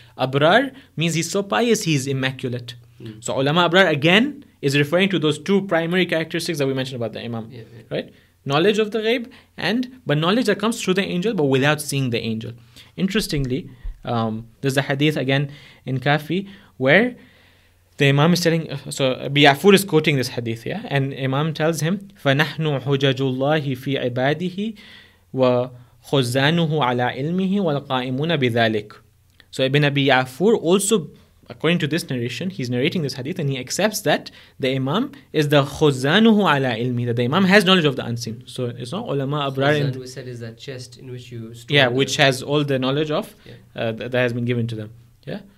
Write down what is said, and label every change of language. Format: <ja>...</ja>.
<en>Abrar means he's so pious, he's immaculate. So ulama abrar, again, is referring to those two primary characteristics that we mentioned about the imam. Yeah. Right? Knowledge of the ghaib, but knowledge that comes through the angel, but without seeing the angel. Interestingly, there's a hadith again in Kafi where... the Imam is telling, so Abi Ya'fur is quoting this hadith, yeah? And Imam tells him,</en> <ar>فَنَحْنُ حُجَجُ اللَّهِ فِي عِبَادِهِ وَخُزَّانُهُ عَلَىٰ إِلْمِهِ وَالْقَائِمُونَ بِذَلِكِ.</ar> <en>So Ibn Abi Ya'fur also, according to this narration, he's narrating this hadith and he accepts that the Imam is the</en> <ar>خُزَّانُهُ عَلَىٰ إِلْمِهِ,</ar> <en>that the Imam has knowledge of the unseen. So it's not ulama abrar. Khuzan, we said, is that chest in which you store. Yeah, which has all the knowledge of, that has been given to them, yeah?</en>